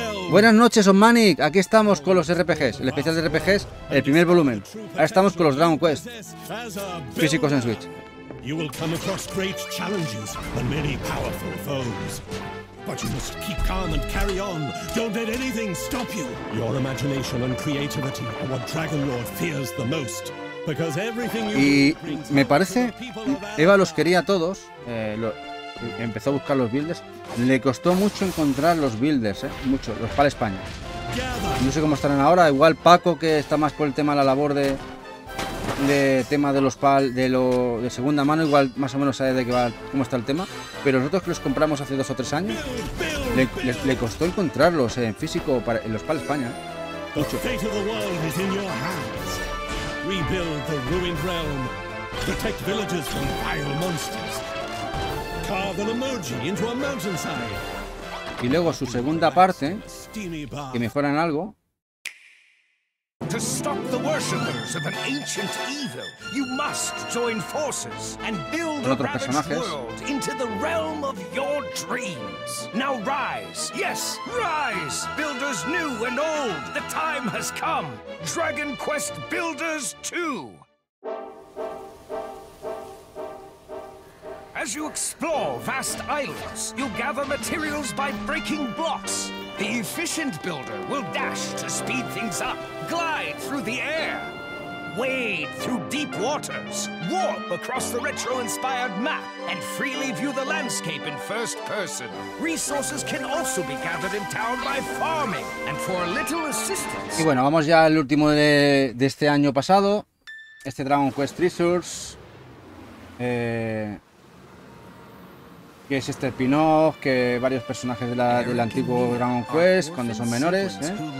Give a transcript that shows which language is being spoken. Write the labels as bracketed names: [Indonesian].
[Spanish] Buenas noches, Osmanic. Aquí estamos con los RPGs, el especial de RPGs, el primer volumen. Ahora estamos con los Dragon Quest físicos en Switch. [English] You will come across great challenges and many powerful foes. But you must keep calm and carry on. Don't let anything stop you. Your imagination and creativity are what Dragon Lord fears the most. [Spanish] Y me parece, Eva los quería a todos, empezó a buscar los builders. Le costó mucho encontrar los builders, mucho, los PAL España. No sé cómo estarán ahora, igual Paco, que está más por el tema de la labor de tema de los PAL de segunda mano, igual más o menos sabe de qué va, cómo está el tema. Pero nosotros que los compramos hace dos o tres años, le costó encontrarlos en físico para, en los PAL España. Mucho. [English] Rebuild the ruined realm. Protect villagers from vile monsters. Carve an emoji into a mountainside. [Spanish] Y luego su segunda parte, que mejora en algo. [English] To stop the worshippers of an ancient evil, you must join forces and build a rabbit's world into the realm of your dreams. Now rise, yes, rise, builders new and old, the time has come. Dragon Quest Builders 2. As you explore vast islands, you gather materials by breaking blocks. The efficient builder will dash to speed things up, glide through the air, wade through deep waters, warp across the retro-inspired map, and freely view the landscape in first person. Resources can also be gathered in town by farming, and for a little assistance... [Spanish] Y bueno, vamos ya al último de este año pasado, este Dragon Quest Treasures. que es este spin-off, que varios personajes de la, del antiguo Dragon Quest cuando son menores, ¿eh?